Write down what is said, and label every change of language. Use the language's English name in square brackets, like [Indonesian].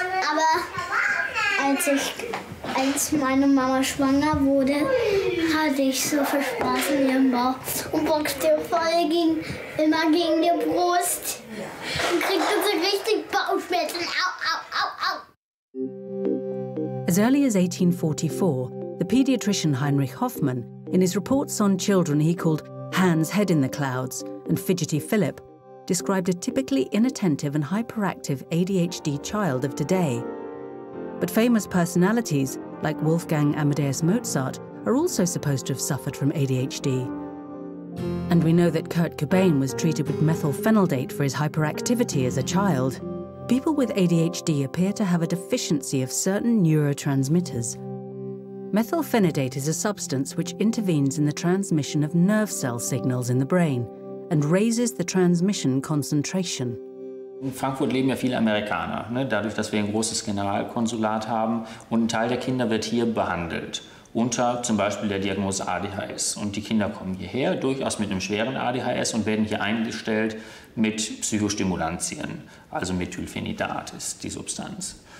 [German] Aber als meine Mama schwanger wurde, hatte ich so viel Spaß in ihrem Bauch und boxte voll immer gegen die Brust und kriegte so richtig Bauchschmerzen. Au, au, au, au. [English] As early as 1844, the pediatrician Heinrich Hoffmann, in his reports on children he called Hans Head in the Clouds, and fidgety Philip described a typically inattentive and hyperactive ADHD child of today. But famous personalities like Wolfgang Amadeus Mozart are also supposed to have suffered from ADHD. And we know that Kurt Cobain was treated with methylphenidate for his hyperactivity as a child. People with ADHD appear to have a deficiency of certain neurotransmitters. Methylphenidate is a substance which intervenes in the transmission of nerve cell signals in the brain and raises the transmission concentration. [German] In Frankfurt leben ja viele Amerikaner, ne? Dadurch, dass wir ein großes Generalkonsulat haben und ein Teil der Kinder wird hier behandelt. Unter zum Beispiel der Diagnose ADHS. Und die Kinder kommen hierher, durchaus mit einem schweren ADHS und werden hier eingestellt mit Psychostimulantien, also Methylphenidat ist die Substanz.